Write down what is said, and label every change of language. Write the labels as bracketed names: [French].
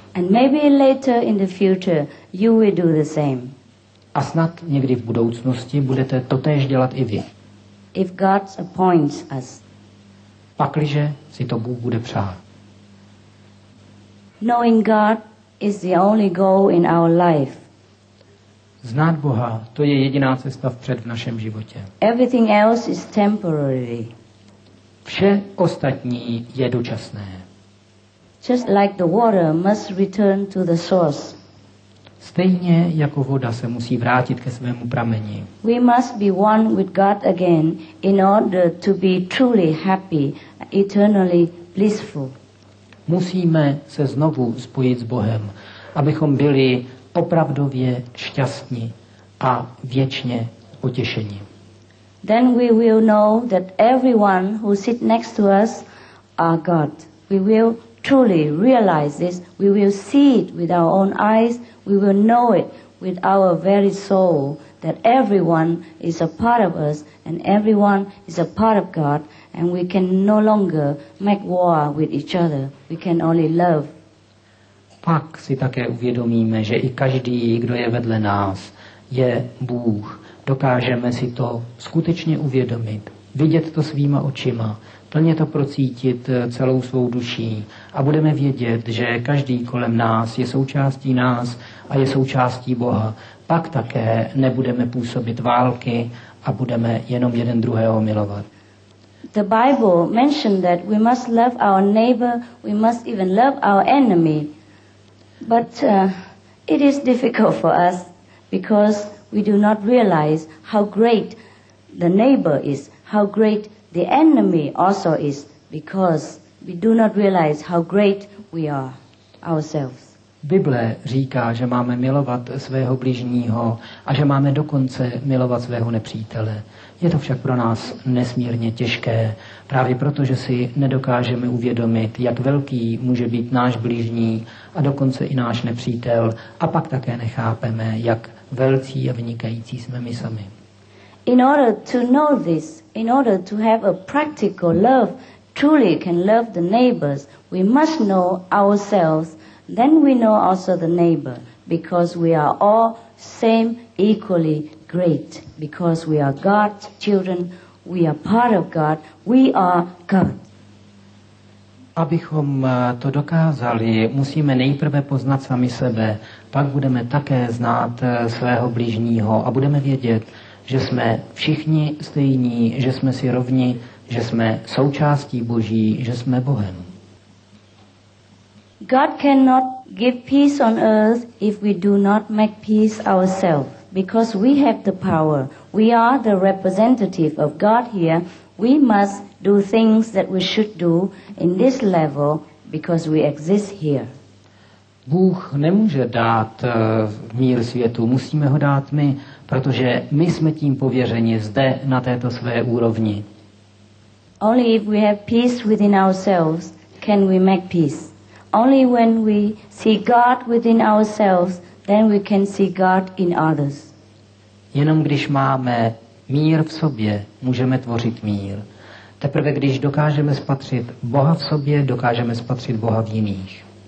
[English] And maybe later in the future you will do the same. [Czech] A snad někdy v budoucnosti budete totéž dělat i vy. [English] If God appoints us. [Czech] Pakliže si to Bůh bude přát. [English] Knowing God is the only goal in our life. [Czech] Znát Boha, to je jediná cesta vpřed v našem životě. [English] Everything else is temporary. [Czech] Vše ostatní je dočasné. [English] Just like the water must return to the source. [Czech] Stejně jako voda se musí vrátit ke svému prameni. [English] We must be one with God again in order to be truly happy, eternally blissful. [Czech] Musíme se znovu spojit s Bohem, abychom byli opravdově šťastní a věčně potěšení. [English] Then we will know that everyone who sit next to us are God. We will truly realize this. We will see it with our own eyes. We will know it with our very soul that everyone is a part of us and everyone is a part of God, and we can no longer make war with each other. We can only love. [Czech] Pak si také uvědomíme, že i každý, kdo je vedle nás, je Bůh. Dokážeme si to skutečně uvědomit, vidět to svýma očima, plně to procítit celou svou duší, a budeme vědět, že každý kolem nás je součástí nás a je součástí Boha. Pak také nebudeme působit války a budeme jenom jeden druhého milovat. [English] The Bible mentioned that we must love our neighbor, we must even love our enemy. But it is difficult for us because we do not realize how great the neighbor is, how great the enemy also is, because we do not realize how great we are ourselves. [Czech] Bible říká, že máme milovat svého bližního a že máme dokonce milovat svého nepřítele. Je to však pro nás nesmírně těžké, právě proto, že si nedokážeme uvědomit, jak velký může být náš bližní a dokonce i náš nepřítel, a pak také nechápeme, jak velcí a vynikající jsme my sami. [English] In order to know this, in order to have a practical love, truly can love the neighbors, we must know ourselves, then we know also the neighbor, because we are all same equally great, because we are God's children, we are part of God, we are God. [Czech] Abychom to dokázali, musíme nejprve poznat sami sebe, pak budeme také znát svého bližního a budeme vědět, že jsme všichni stejní, že jsme si rovni, že jsme součástí Boží, že jsme Bohem. [English] God cannot give peace on earth if we do not make peace ourselves, because we have the power. We are the representative of God here. We must do things that we should do in this level because we exist here. [Czech] Bůh nemůže dát mír světu, musíme ho dát my, protože my jsme tím pověřeni zde na této své úrovni. [English] Only if we have peace within ourselves can we make peace. Only when we see God within ourselves, then we can see God in others. [Czech] Jenom když máme mír v sobě, můžeme tvořit mír. Teprve když dokážeme spatřit Boha v sobě, dokážeme spatřit Boha v jiných.